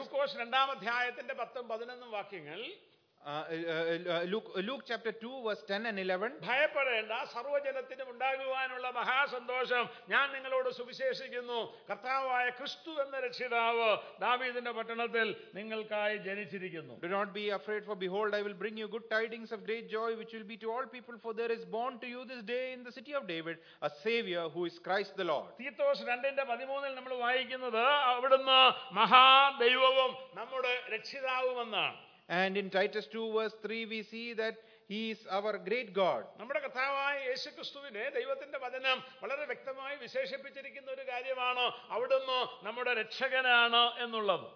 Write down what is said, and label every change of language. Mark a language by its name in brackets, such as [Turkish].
[Malayalam] ലൂക്കോസ് രണ്ടാം അധ്യായത്തിന്റെ 10-11 വാക്യങ്ങൾ. [English] Luke chapter 2 verse 10 and 11. [Malayalam] ഭയപ്പെടേണ്ട, സർവ്വജനത്തിന് ഉണ്ടാകുവാനുള്ള മഹാസന്തോഷം, ഞാൻ നിങ്ങളോട് സുവിശേഷിക്കുന്നു, കർത്താവായ ക്രിസ്തു എന്ന രക്ഷിതാവ് ദാവീദിന്റെ പട്ടണത്തിൽ നിങ്ങൾക്കായി ജനിച്ചിരിക്കുന്നു. [English] Do not be afraid, for behold I will bring you good tidings of great joy which will be to all people, for there is born to you this day in the city of David a savior who is Christ the Lord. [Malayalam] Titus 2:13 നമ്മൾ വായിക്കുന്നത് അവിടുന്ന് മഹാദൈവവും നമ്മുടെ രക്ഷിതാവുമെന്നാണ്. [English] And in Titus 2:3 we see that he is our great God. [Malayalam] നമ്മുടെ കർത്താവായ യേശുക്രിസ്തുവിനെ ദൈവത്തിന്റെ വചനം വളരെ വ്യക്തമായി വിശേഷിപ്പിച്ചിരിക്കുന്ന ഒരു കാര്യമാണ് അവിടുന്ന് നമ്മുടെ രക്ഷകനാണ് എന്നുള്ളത്.